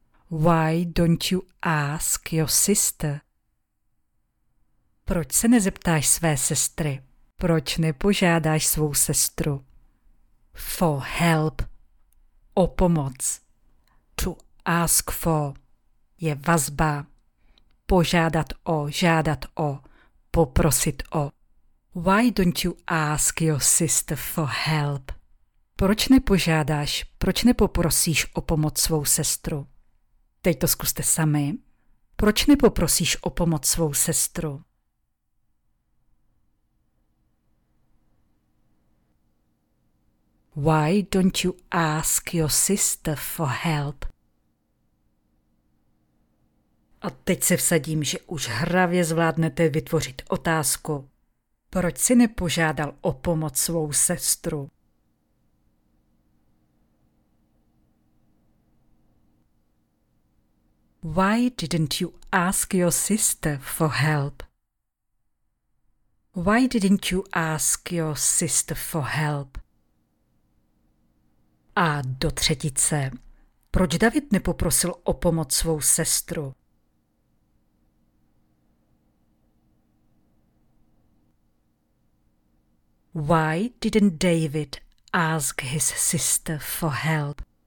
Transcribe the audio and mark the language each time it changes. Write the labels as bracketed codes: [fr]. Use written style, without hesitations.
[en] Why don't you ask your sister? [cs] Proč se nezeptáš své sestry? Proč nepožádáš svou sestru? [en] For help. [cs] O pomoc. [en] To ask for. [cs] Je vazba. Požádat o, žádat o, poprosit o. [en] Why don't you ask your sister for help? [cs] Proč nepožádáš, proč nepoprosíš o pomoc svou sestru? Teď to zkuste sami. Proč nepoprosíš o pomoc svou sestru? [en] Why don't you ask your sister for help? [cs] A teď se vsadím, že už hravě zvládnete vytvořit otázku. Proč si nepožádal o pomoc svou sestru? [en] Why didn't you ask your sister for help? Why didn't you ask your sister for help? [cs] A do třetice. Proč David nepoprosil o pomoc svou sestru? [en] Why didn't David ask his sister for help?